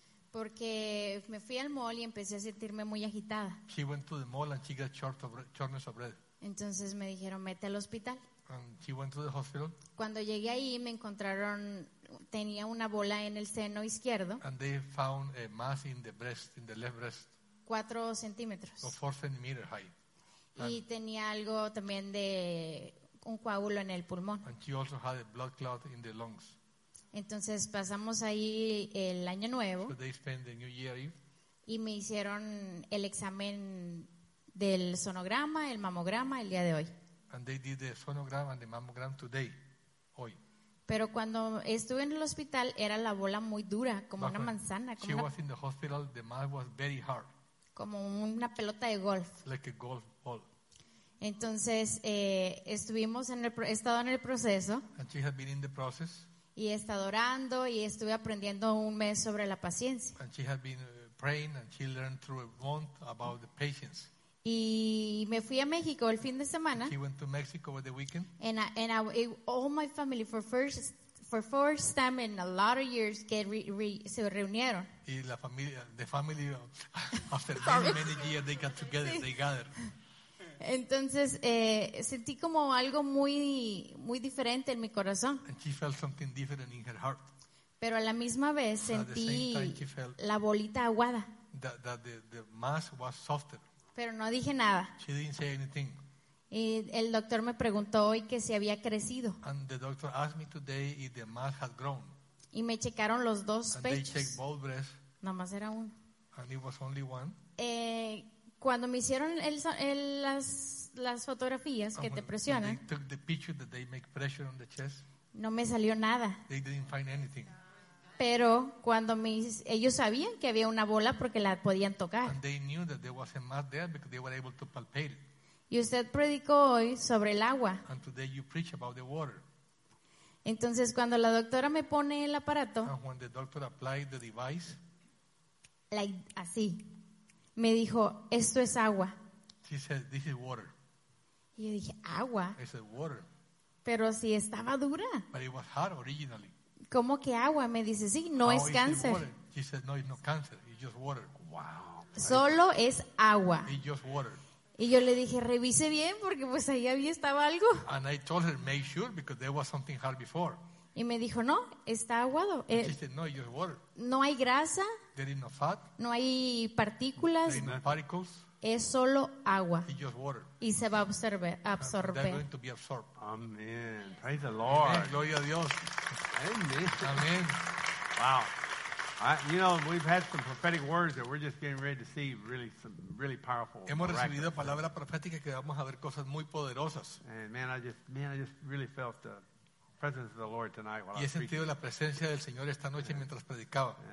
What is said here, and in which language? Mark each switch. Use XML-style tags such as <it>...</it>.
<es>Porque me fui al mall y empecé a sentirme muy agitada.</es> <en>She went to the mall and she got shortness of breath.</en> <es>Entonces me dijeron, "Mete al hospital."</es> <en>And she went to the hospital.</en> <es>Cuando llegué ahí me encontraron tenía una bola en el seno izquierdo.</es> <en>And they found a mass in the breast, in the left breast.</en> <es>4 centímetros.</es> <en>Or 4 centimeters high.</en> <es>Y tenía algo también de un coágulo en el pulmón.</es> <en>And she also had a blood clot in the lungs.</en> <es>Entonces pasamos ahí el año nuevo.</es> <en>So they spent the New Year Eve.</en> <es>Y me hicieron el examen del sonograma, el mamograma el día de hoy.</es> <en>And they did the sonogram and the mammogram today, hoy.</en> <es>Pero cuando estuve en el hospital era la bola muy dura, como una manzana.</es> <en>She was in the hospital, the mass was very hard.</en> <es>Como una pelota de golf.</es> <en>Like a golf ball.</en> <es>Entonces he estado en el proceso.</es> <en>And she has been in the process.</en> <es>Y he estado orando y estuve aprendiendo un mes sobre la paciencia.</es> <en>And she has been praying and she learned through a month about the patience.</en> <es>Y me fui a México el fin de semana.</es> <en>And she went to Mexico over the weekend. And all my family for first time in a lot of years</en> <es>se reunieron. Y la familia,</es> <en>the family after many years they got together,</en> <es>sí.</es> <en>They gathered.</en> <es>Entonces sentí como algo muy muy diferente en mi corazón.</es> <en>And she felt something different in her heart.</en> <es>Pero a la misma vez sentí la bolita aguada.</es> <en>The mass was softer.</en> <es>Pero no dije nada.</es> <en>She didn't say anything.</en> <es>Y el doctor me preguntó hoy que si había crecido.</es> <en>And the doctor asked me today if the mass had grown.</en> <es>Y me checaron los dos</es> <en>and</en> <es>pechos.</es> <en>They checked both breasts.</en> <es>Nomás era uno.</es> <en>And it was only one.</en> <es>Cuando me hicieron las fotografías que</es> <en>and</en> <es>te presionan,</es> <en>they took the picture that they make pressure on the chest,</en> <es>no me salió nada.</es> <en>They didn't find anything.</en> <es>Pero cuando ellos sabían que había una bola porque la podían tocar.</es> <en>And they knew that there was a mass there because they were able to palpate it.</en> <es>Y usted predicó hoy sobre el agua.</es> <en>And today you preach about the water.</en> <es>Entonces cuando la doctora me pone el aparato,</es> <en>and when the doctor applied the device, like</en> <es>así, me dijo, esto es agua.</es> <en>She said, this is water.</en> <es>Y yo dije, agua.</es> <en>I said, water.</en> <es>Pero si estaba dura.</es> <en>But it was hard originally.</en> <es>¿Cómo que agua? Me dice, sí, no es cáncer.</es> <en>She said, no, it's not cancer, it's just water. Wow.</en> <es>Solo es agua.</es> <en>It's just water.</en> <es>Y yo le dije, revise bien, porque pues ahí había estaba algo.</es> <en>And I told her, make sure, because there was something hard before.</en> <es>Y me dijo, no, está aguado.</es> <en>She said, no, it's just water.</en> <es>No hay grasa.</es> <en>There is no fat.</en> <es>No hay partículas.</es> <en>There is no particles.</en> <es>Es solo agua.</es> <en>It's just water.</en> <es>Y se va a absorber.</es> <en>They're going to be absorbed. Amen. Praise the Lord.</en> <es>Amen. Gloria a Dios. Amen. Amen.</es> <en>Wow. You know, we've had some prophetic words that we're just getting ready to see really some really powerful.</en> <es>Hemos recibido palabra profética que vamos a ver cosas muy poderosas.</es> <en>And man, I just really felt the presence of the Lord tonight while I preached.</en> <es>Y he sentido la presencia del Señor esta noche mientras predicaba.</es>